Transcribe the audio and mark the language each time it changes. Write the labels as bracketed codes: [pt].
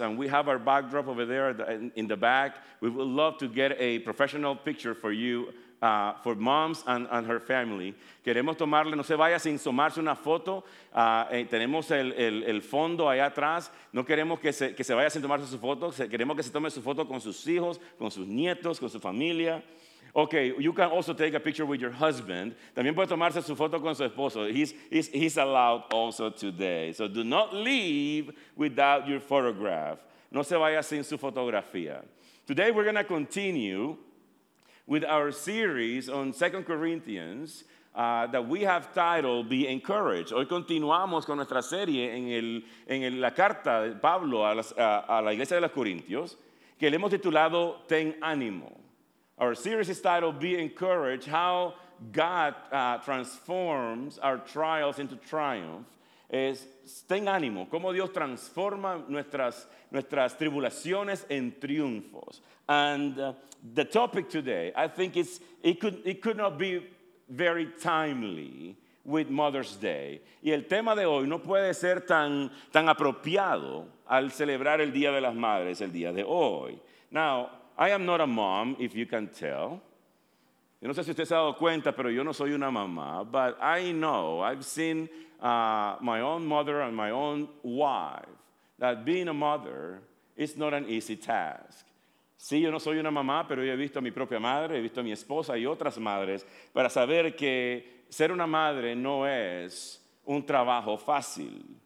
[en] And we have our backdrop over there in the back. We would love to get a professional picture for you, for moms and her family. [es] Queremos tomarle, no se vaya sin tomarse una foto. Tenemos el fondo allá atrás. No queremos que se vaya sin tomarse su foto. Queremos que se tome su foto con sus hijos, con sus nietos, con su familia. [en] Okay, you can also take a picture with your husband. [es] También puede tomarse su foto con su esposo. [en] He's allowed also today. So do not leave without your photograph. [es] No se vaya sin su fotografía. [en] Today we're going to continue with our series on 2 Corinthians that we have titled Be Encouraged. [es] Hoy continuamos con nuestra serie en la carta de Pablo a la iglesia de los Corintios que le hemos titulado Ten Ánimo. [en] Our series is titled Be Encouraged, How God Transforms Our Trials into Triumph. [es] Es ten ánimo, cómo Dios transforma nuestras tribulaciones en triunfos. [en] And the topic today, I think it could not be very timely with Mother's Day. [es] Y el tema de hoy no puede ser tan apropiado al celebrar el Día de las Madres el día de hoy. [en] Now, I am not a mom, if you can tell. [es] Yo no sé si usted se ha dado cuenta, pero yo no soy una mamá. [en] But I know, I've seen my own mother and my own wife, that being a mother is not an easy task. [es] Sí, yo no soy una mamá, pero yo he visto a mi propia madre, he visto a mi esposa y otras madres, para saber que ser una madre no es un trabajo fácil.